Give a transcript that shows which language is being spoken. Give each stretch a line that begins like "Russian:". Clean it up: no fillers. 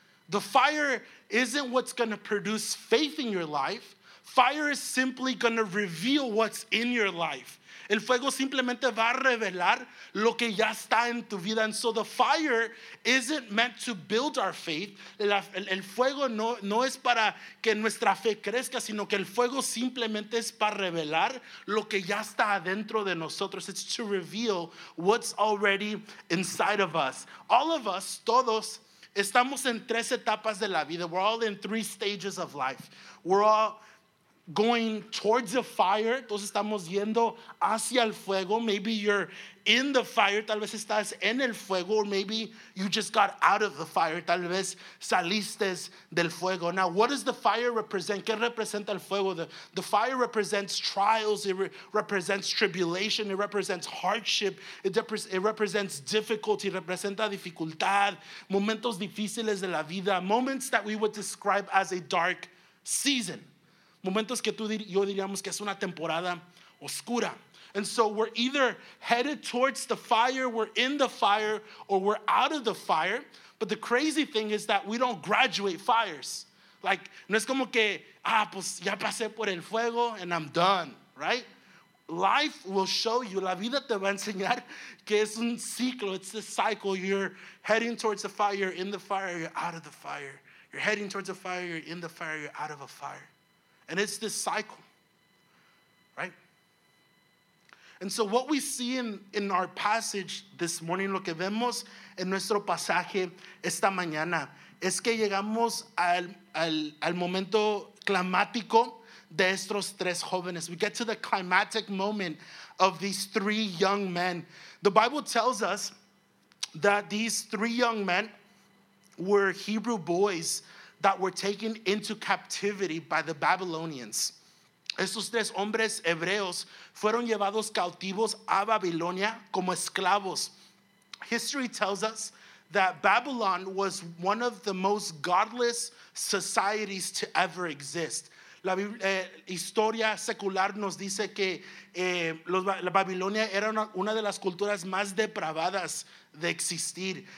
English: The fire isn't what's going to produce faith in your life. Fire is simply going to reveal what's in your life.
Spanish: El fuego simplemente va a revelar lo que ya está en tu vida.
English: And so the fire isn't meant to build our faith.
Spanish: El fuego no es para que nuestra fe crezca, sino que el fuego simplemente es para revelar lo que ya está adentro de nosotros.
English: It's to reveal what's already inside of us. All of us,
Spanish: todos, estamos en tres etapas de la vida.
English: We're all in three stages of life. We're all going towards the fire,
Spanish: entonces estamos yendo hacia el fuego.
English: Maybe you're in the fire,
Spanish: tal vez estás en el fuego,
English: or maybe you just got out of the fire,
Spanish: tal vez saliste del fuego.
English: Now, what does the fire represent?
Spanish: ¿Qué representa el fuego?
English: The fire represents trials, it represents tribulation, it represents hardship, it represents difficulty,
Spanish: representa dificultad, momentos difíciles de la vida,
English: moments that we would describe as a dark season.
Spanish: Momentos que tú y yo diríamos que es una temporada oscura.
English: And so we're either headed towards the fire, we're in the fire, or we're out of the fire. But the crazy thing is that we don't graduate fires.
Spanish: Like, no es como que, ah, pues ya pasé por el fuego
English: and I'm done, right? Life will show you,
Spanish: la vida te va a enseñar que es un ciclo,
English: it's a cycle. You're heading towards the fire, you're in the fire, you're out of the fire. You're heading towards the fire, you're in the fire, you're out of a fire. And it's this cycle, right? And so what we see in our passage this morning,
Spanish: lo que vemos en nuestro pasaje esta mañana, es que llegamos al momento climático de estos tres jóvenes.
English: We get to the climactic moment of these three young men. The Bible tells us that these three young men were Hebrew boys that were taken into captivity by the Babylonians.
Spanish: Estos tres hombres hebreos fueron llevados cautivos a Babilonia como esclavos.
English: History tells us that Babylon was one of the most godless societies to ever exist.
Spanish: La historia secular nos dice que la Babilonia era una de las culturas más depravadas de existir.